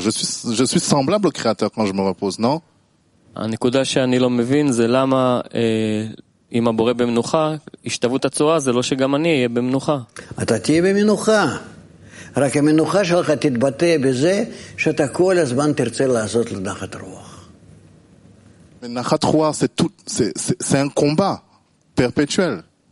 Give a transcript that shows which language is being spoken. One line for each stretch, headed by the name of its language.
French: Je suis semblable au créateur quand je me repose, non?
Hebrew: הנקודה שאני לא מבין זה למה אם הבורא במנוחה, השתוות הצורה זה לא שגם אני אהיה במנוחה. אתה תהיה במנוחה. רק המנוחה שלך תתבטא בזה שאתה כל הזמן תרצה לעשות לנחת רוח. נחת רוח זה
French: tout, c'est un combat perpétuel.